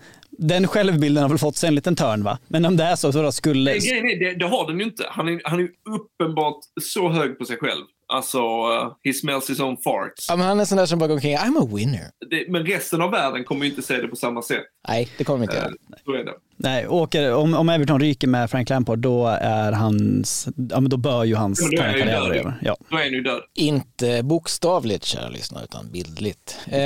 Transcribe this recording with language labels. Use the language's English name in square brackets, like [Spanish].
[Swedish] Den självbilden har väl fått sig en liten törn, va? Men om det är så då skulle... Nej, det har den ju inte. Han är uppenbart så hög på sig själv. Alltså, [English] he smells his own farts. [Swedish] Ja, men han är sån där som bara går omkring, [English] I'm a winner. [Swedish] Men resten av världen kommer ju inte säga det på samma sätt. Nej, det kommer inte göra. Så är det. Nej, åker, om Everton ryker med Frank Lampard, då är hans... Ja, men då bör ju hans... Ja, då är han ju död. Ja. Då är han ju död. Inte bokstavligt, kära lyssnare, utan bildligt.